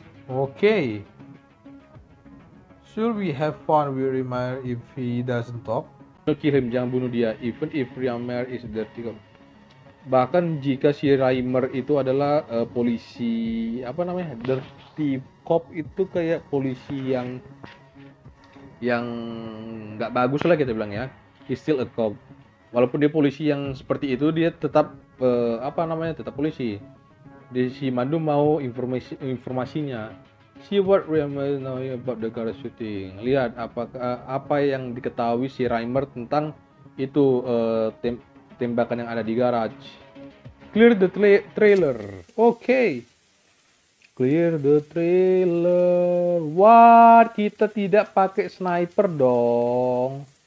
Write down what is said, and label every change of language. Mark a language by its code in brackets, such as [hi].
[en] Okay. Should we have fun with Remyer if he doesn't talk? No, kill him, [id] jangan bunuh dia. [en] Even if Remyer is dirty cop. [id] Bahkan jika si Remyer itu adalah polisi, apa namanya? Dirty cop itu kayak polisi yang enggak bagus lah kita bilang ya. [en] He's still a cop. [id] Walaupun dia polisi yang seperti itu, dia tetap tetap polisi. Jadi si Mandu mau informasinya. [en] See what Remyer know about the garage shooting. [id] Lihat apa yang diketahui si Remyer tentang itu tembakan yang ada di garage. [en] Clear the trailer. Okay. Clear the trailer. What? [id] Kita tidak pakai sniper dong.